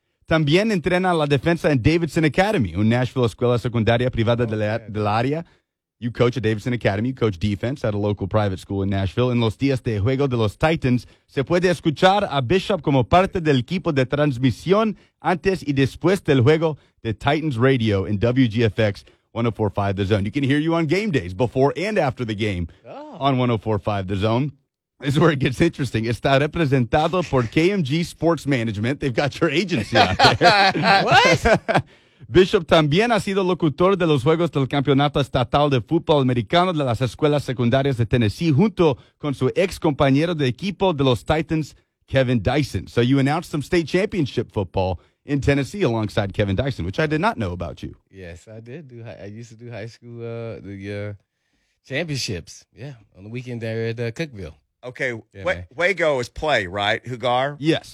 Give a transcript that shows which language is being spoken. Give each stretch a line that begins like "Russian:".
Spanish: También entrena la defensa en Davidson Academy, una Nashville escuela secundaria privada de la área.
English: You coach at Davidson Academy. You coach defense at a local private school in Nashville.
Spanish: En los días de juego de los Titans, se puede escuchar a Bishop como parte del equipo de transmisión antes y después del juego de Titans Radio in WGFX 104.5 The Zone.
English: You can hear you on game days before and after the game on 104.5 The Zone. This is where it gets interesting.
Spanish: Está representado por KMG Sports Management.
English: They've got your agency out there. What?
Spanish: Bishop también ha sido locutor de los Juegos del Campeonato Estatal de Fútbol Americano de las Escuelas Secundarias de Tennessee junto con su ex compañero de equipo de los Titans, Kevin Dyson.
English: So you announced some state championship football in Tennessee alongside Kevin Dyson, which I did not know about you. Yes, I did. I used to do high school championships, on the weekend there at Cookeville. Okay, Wago is play, right? Hugar? Yes.